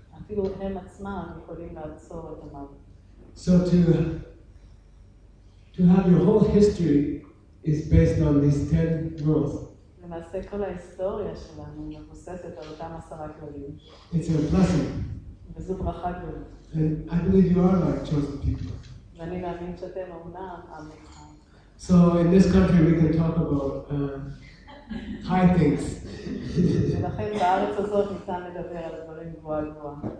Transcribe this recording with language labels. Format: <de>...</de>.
<he>אפילו הם עצמם יכולים לעצור את המוות.</he> <en>So to have your whole history is based on these 10 rules.</en> <he>למעשה כל ההיסטוריה שלנו מבוססת על אותם 10 כללים.</he> <en>It's a blessing.</en> <he>וזו ברכה גדולה.</he> <en>And I believe you are like chosen people.</en> <he>ואני מאמין שאתם אומנם עם אחד.</he> <en>So in this country we can talk about high things.</en> <he>ולכן בארץ הזאת ניתן לדבר על הדברים גבוהה גבוהה.</he>